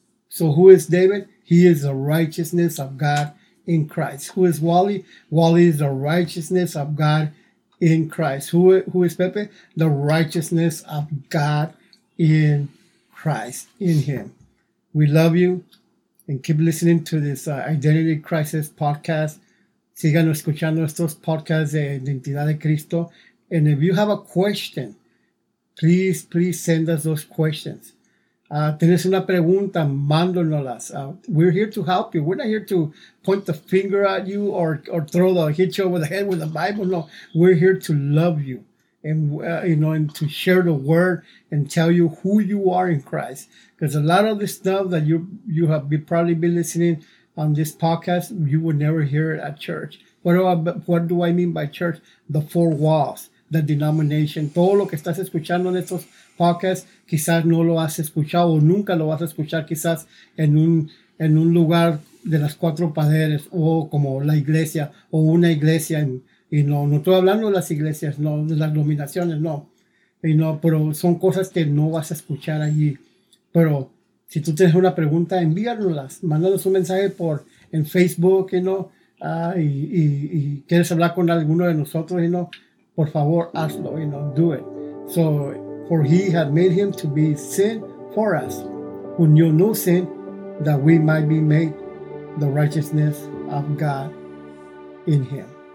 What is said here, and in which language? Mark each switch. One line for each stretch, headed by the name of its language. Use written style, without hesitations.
English: So who is David? He is the righteousness of God in Christ. Who is Wally? Wally is the righteousness of God in Christ. Who is Pepe? The righteousness of God in Christ, in Him. We love you and keep listening to this Identity Crisis podcast.
Spanish: Sigan escuchando estos podcasts de Identidad de Cristo.
English: And if you have a question, please, please send us those questions.
Spanish: Tienes una pregunta, mándonoslas.
English: We're here to help you. We're not here to point the finger at you or throw the hit you over the head with the Bible. No, we're here to love you and to share the word and tell you who you are in Christ. Because a lot of the stuff that you have probably been listening on this podcast, you would never hear it at church. What do I mean by church? The four walls, the denomination.
Spanish: Todo lo que estás escuchando en estos podcasts, quizás no lo has escuchado o nunca lo vas a escuchar quizás en un lugar de las cuatro paredes o como la iglesia o una iglesia. No estoy hablando de las iglesias, no, de las denominaciones, no. Pero son cosas que no vas a escuchar allí. Pero si tú tienes una pregunta, envíanoslas. Mándanos un mensaje en Facebook, ¿no? Y quieres hablar con alguno de nosotros, ¿no? Por favor, hazlo,
English: do it. So, for he had made him to be sin for us, who knew no sin, that we might be made the righteousness of God in him.